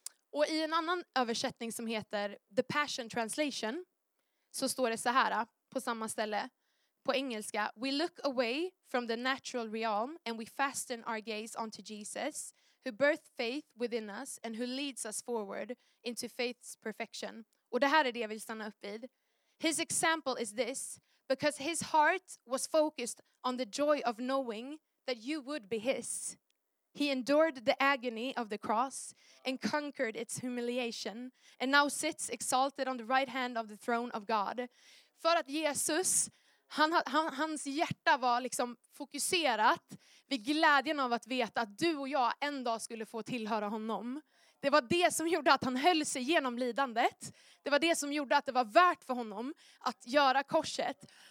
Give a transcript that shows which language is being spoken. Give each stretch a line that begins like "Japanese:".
Swedish: Och i en annan översättning som heter The Passion Translation så står det så här på samma ställe på engelska:
English: We look away from the natural realm and we fasten our gaze onto Jesus, who birthed faith within us and who leads us forward into faith's perfection.
Swedish: Och det här är det jag vill stanna upp vid.
English: His example is this, because his heart was focused on the joy of knowing that you would be his. He endured the agony of the cross and conquered its humiliation and now sits exalted on the right hand of the throne of God.
Swedish: För att Jesus, hans hjärta var liksom fokuserat vid glädjen av att veta att du och jag en dag skulle få tillhöra honom. Det var det som gjorde att han höll sig genom lidandet. Det var det som gjorde att det var värt för honom att göra korset.